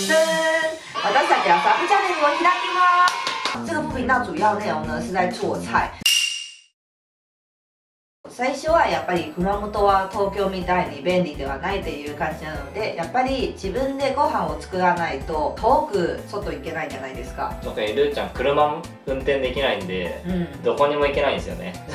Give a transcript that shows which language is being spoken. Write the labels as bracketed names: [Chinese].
[Japanese] 私たちはサブチャンネルを開きます。 [Chinese] 这个频道主要内容呢是在做菜。 [Japanese] 最初はやっぱり熊本は東京みたいに便利ではないっていう感じなので、やっぱり自分でご飯を作らないと遠く外行けないじゃないですか。特にルーちゃん車運転できないんで、うん、どこにも行けないんですよね。